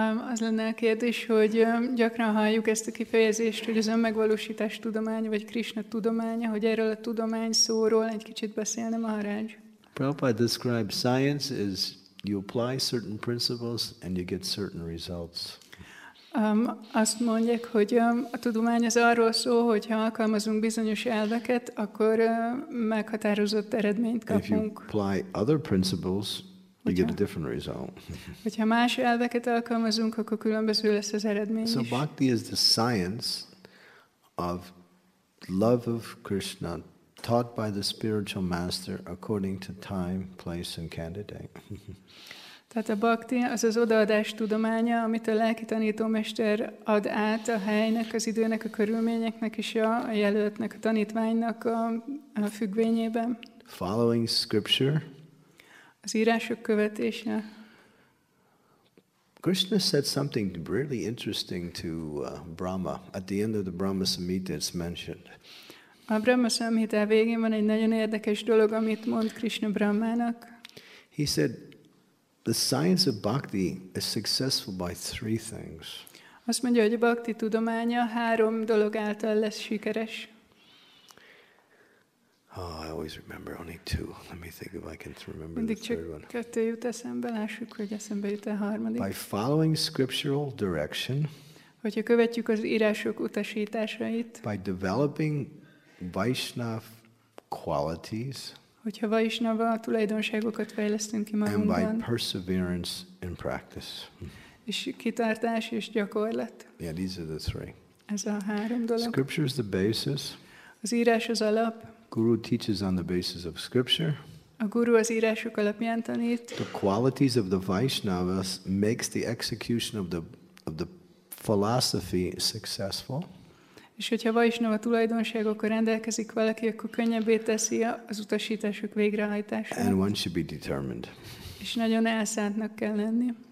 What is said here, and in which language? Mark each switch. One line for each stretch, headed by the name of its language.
Hungarian: Az lenne a kérdés, hogy gyakran halljuk ezt a kifejezést, hogy az önmegvalósítás tudománya, vagy Krishna tudománya, hogy erről a tudomány szóról egy kicsit beszélne Maharaj.
English: Prabhupada describes science as you apply certain principles and you get certain results.
Hungarian: Azt mondják, hogy a tudomány az arról szól, hogy ha alkalmazunk bizonyos elveket, akkor meghatározott eredményt kapunk.
English: If you apply other principles, you get a different result.
Hungarian: Hogyha más elveket alkalmazunk, akkor különböző lesz az eredmény.
English: So bhakti is the science of love of Krishna taught by the spiritual master according to time, place and candidate.
Hungarian: Tehát a bhakti az az odaadás tudománya, amit a lelki tanítómester ad át a helynek, az időnek, a körülményeknek és a jelöltnek, a tanítványnak a függvényében.
English: Following scripture.
Hungarian: Az írások követése.
English: Krishna said something really interesting to Brahma. At the end of the Brahma Samhita it's mentioned.
Hungarian: A Brahma Samhita végén van egy nagyon érdekes dolog, amit mond Krishna Brahmának.
English: He said, the science of bhakti is successful by three things.
Hungarian: Azt mondja, hogy a bhakti tudománya három dolog által lesz sikeres.
English: Oh, I always remember only two. Let me think if I can remember the third one.
Hungarian: Kettő jut eszembe, lássuk, hogy eszembe jut a harmadik.
English: By following scriptural direction.
Hungarian: Hogyha követjük az írások utasításait.
English: By developing Vaishnav qualities.
Hungarian: Hogyha Vaishnava tulajdonságokat fejlesztünk ki magunkban.
English: And by perseverance in practice.
Hungarian: És kitartás és gyakorlat.
English: Yeah, these are the three.
Hungarian: Ez a három dolog.
English: Scripture is the basis.
Hungarian: Az írás az alap.
English: Guru teaches on the basis of scripture.
Hungarian: A guru az írások alapján tanít.
English: The qualities of the Vaishnavas makes the execution of the philosophy successful.
Hungarian: És hogyha Vaishnava tulajdonságokkal rendelkezik valaki, akkor könnyebbé teszi az utasítások végrehajtását.
English: And one should be determined.
Hungarian: És nagyon elszántnak kell lenni.